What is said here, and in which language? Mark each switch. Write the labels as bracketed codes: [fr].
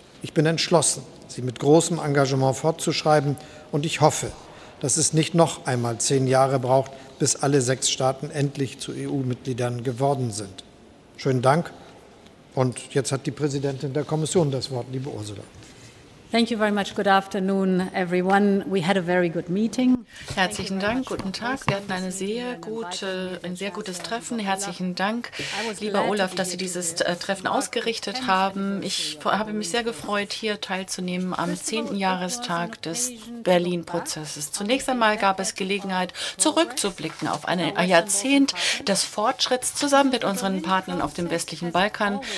[de] Ich bin entschlossen, sie mit großem Engagement fortzuschreiben, und ich hoffe, dass es nicht noch einmal 10 Jahre braucht, bis alle 6 Staaten endlich zu EU-Mitgliedern geworden sind. Schönen Dank. Und jetzt hat die Präsidentin der Kommission das Wort, liebe Ursula. [en] Thank you very much. Good afternoon, everyone. We had a very good meeting. [de] Herzlichen Dank. Guten Tag. Wir hatten ein sehr gutes Treffen. Herzlichen Dank, lieber Olaf, dass Sie dieses Treffen ausgerichtet haben. Ich habe mich sehr gefreut, hier teilzunehmen am 10. Jahrestag des Berlin-Prozesses. Zunächst einmal gab es Gelegenheit, zurückzublicken auf ein Jahrzehnt des Fortschritts zusammen mit unseren Partnern auf dem westlichen Balkan.